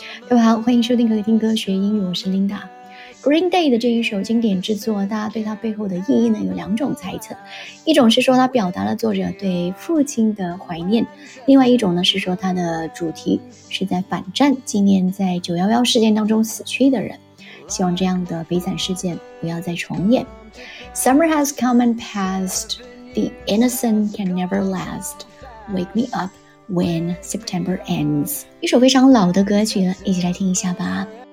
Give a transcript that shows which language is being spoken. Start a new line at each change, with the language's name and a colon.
Chinese: 各位好，欢迎收听可以听歌学英语，我是 Linda。Green Day 的这一首经典之作，大家对它背后的意义呢有两种猜测，一种是说它表达了作者对父亲的怀念，另外一种呢是说它的主题是在反战，纪念在911事件当中死去的人，希望这样的悲惨事件不要再重演。
English: Summer has come and passed, the innocent can never last, wake me up when September ends.
Chinese: 一首非常老的歌曲了，一起来听一下吧。